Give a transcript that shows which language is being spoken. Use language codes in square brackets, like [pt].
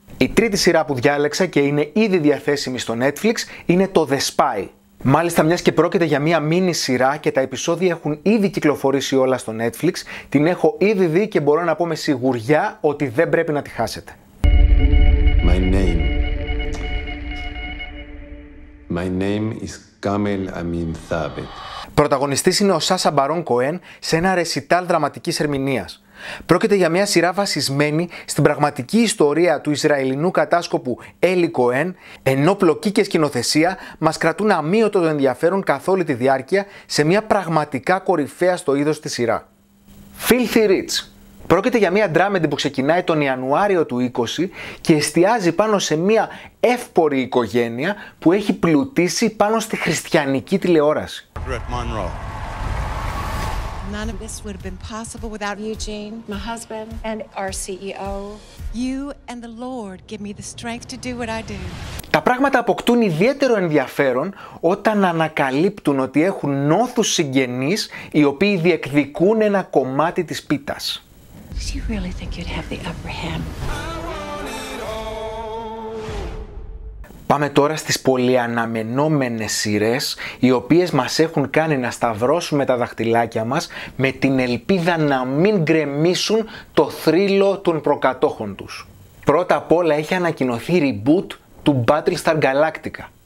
[el] Η τρίτη σειρά που διάλεξα και είναι ήδη διαθέσιμη στο Netflix είναι το The Spy. Μάλιστα, μιας και πρόκειται για μία μίνι σειρά και τα επεισόδια έχουν ήδη κυκλοφορήσει όλα στο Netflix, την έχω ήδη δει και μπορώ να πω με σιγουριά ότι δεν πρέπει να τη χάσετε. [en] My name is Kamel Amin Thabet. [el] Πρωταγωνιστής είναι ο Σάσα Μπαρόν Κοέν σε ένα ρεσιτάλ δραματικής ερμηνείας. Πρόκειται για μια σειρά βασισμένη στην πραγματική ιστορία του Ισραηλινού κατάσκοπου Έλι Κοέν, ενώ πλοκή και σκηνοθεσία μας κρατούν αμύωτο το ενδιαφέρον καθ' όλη τη διάρκεια σε μια πραγματικά κορυφαία στο είδος τη σειρά. Filthy Rich. Πρόκειται για μια ντράμεντι που ξεκινάει τον Ιανουάριο του 20 και εστιάζει πάνω σε μια εύπορη οικογένεια που έχει πλουτίσει πάνω στη χριστιανική τηλεόραση. [en] None of this would have been possible without Eugene, my husband, and our CEO. You and the Lord give me the strength to do what I do. [el] Τα πράγματα αποκτούν ιδιαίτερο ενδιαφέρον όταν ανακαλύπτουν ότι έχουν νόθους συγγενείς οι οποίοι διεκδικούν ένα κομμάτι της πίτας. [en] Did you really think you'd have the upper hand? [el] Πάμε τώρα στις πολύ αναμενόμενες σειρές, οι οποίες μας έχουν κάνει να σταυρώσουμε τα δαχτυλάκια μας με την ελπίδα να μην γκρεμίσουν το θρύλο των προκατόχων τους. Πρώτα απ' όλα έχει ανακοινωθεί reboot του Battlestar Galactica.